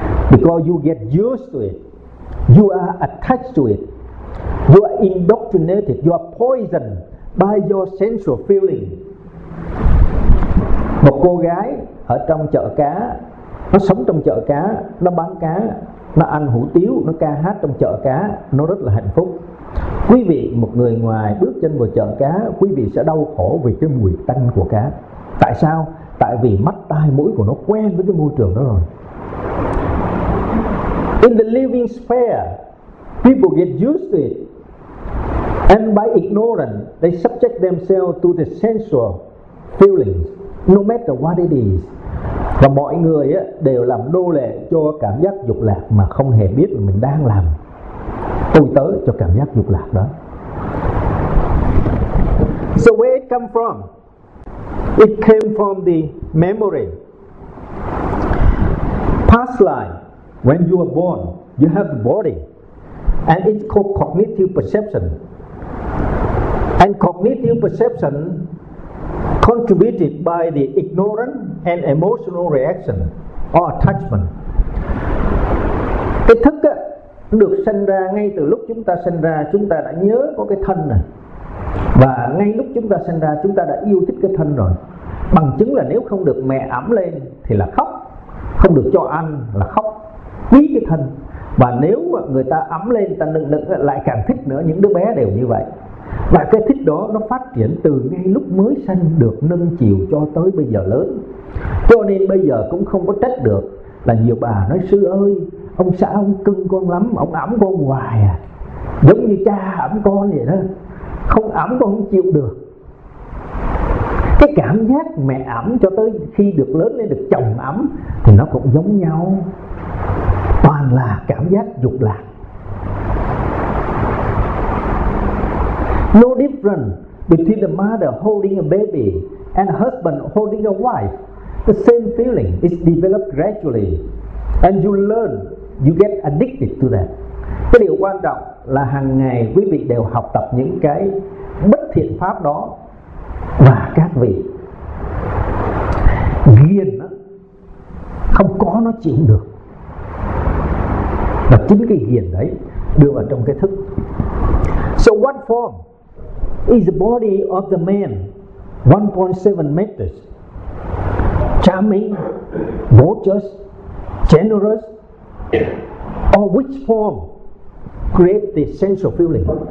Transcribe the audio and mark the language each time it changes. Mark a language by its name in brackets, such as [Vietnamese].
[English] Because you get used to it, you are attached to it, you are indoctrinated, you are poisoned by your sensual feeling. [Vietnamese] Một cô gái ở trong chợ cá, nó sống trong chợ cá, nó bán cá, nó ăn hủ tiếu, nó ca hát trong chợ cá, nó rất là hạnh phúc. Quý vị, một người ngoài bước chân vào chợ cá, quý vị sẽ đau khổ vì cái mùi tanh của cá. Tại sao? Tại vì mắt tai mũi của nó quen với cái môi trường đó rồi. [English] In the living sphere, people get used to it, and by ignorance, they subject themselves to the sensual feelings, no matter what it is. [Vietnamese] Và mọi người á, đều làm nô lệ cho cảm giác dục lạc mà không hề biết là mình đang làm tôi tớ cho cảm giác dục lạc đó. [English] So where it come from? It came from the memory. Past life, when you were born, you have a body. And it's called cognitive perception. And cognitive perception contributed by the ignorance and emotional reaction or attachment. [Vietnamese] Cái thức á, được sinh ra ngay từ lúc chúng ta sinh ra, chúng ta đã nhớ có cái thân này. Và ngay lúc chúng ta sinh ra, chúng ta đã yêu thích cái thân rồi. Bằng chứng là nếu không được mẹ ẵm lên thì là khóc, không được cho ăn là khóc, quý cái thân. Và nếu mà người ta ấm lên, ta nựng nựng lại càng thích nữa. Những đứa bé đều như vậy. Và cái thích đó nó phát triển từ ngay lúc mới sanh được nâng chiều cho tới bây giờ lớn. Cho nên bây giờ cũng không có trách được là nhiều bà nói sư ơi, ông xã ông cưng con lắm, ông ấm con hoài à, giống như cha ấm con vậy đó, không ấm con không chịu được. Cái cảm giác mẹ ấm cho tới khi được lớn lên được chồng ấm thì nó cũng giống nhau, toàn là cảm giác dục lạc. [English] No difference between the mother holding a baby and a husband holding a wife. The same feeling is developed gradually, and you learn, you get addicted to that. [Vietnamese] Cái điều quan trọng là hàng ngày quý vị đều học tập những cái bất thiện pháp đó, và các vị ghiền đó, không có nó chịu được. Và chính cái ghiền đấy đưa vào trong cái thức. [English] So what form is the body of the man? 1.7 meters. Charming, gorgeous, generous, or which form create the sensual feeling?